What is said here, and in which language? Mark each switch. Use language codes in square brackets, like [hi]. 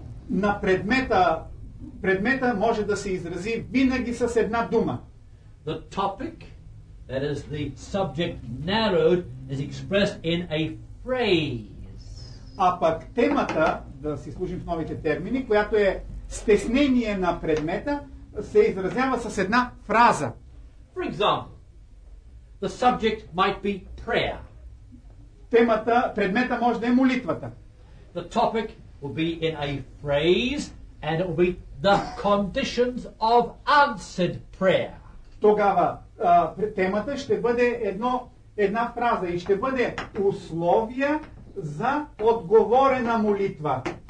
[bg] На предмета може да се изрази винаги с една дума. [en] The topic, that is the subject narrowed, is expressed in a phrase. [bg] А пък темата, да си служим в новите термини, която е стеснение на предмета, се изразява с една фраза. [en] For example, the subject might be prayer. [bg] Темата, предмета може да е молитвата. [en] The topic will be in a phrase and it will be the conditions of answered prayer. [bg] Тогава темата ще бъде една фраза и ще бъде условия за отговорена молитва.